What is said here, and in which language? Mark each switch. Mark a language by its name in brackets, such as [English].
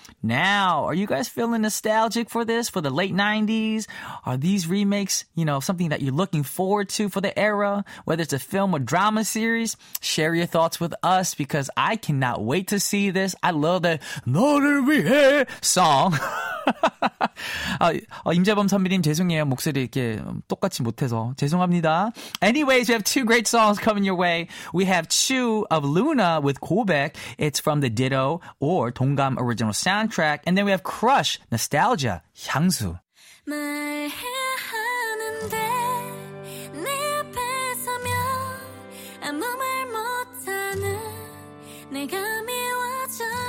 [English] Now, are you guys feeling nostalgic for this, for the late 90s? Are these remakes, you know, something that you're looking forward to for the era, whether it's a film or drama series? Share your thoughts with us, because I cannot wait to see this. I love the 너를 위해 song. [Korean] 임재범 선배님, 죄송해요. 목소리 이렇게 똑같이 못해서 죄송합니다. [English] Anyways, we have two great songs coming your way. We have Chew of Luna with Kobek. It's from the Ditto or Donggam original soundtrack. And then we have Crush, Nostalgia, 향수. [Korean] 말해야 하는데 내 앞에 서면 아무 말 못하는 내가 미워져.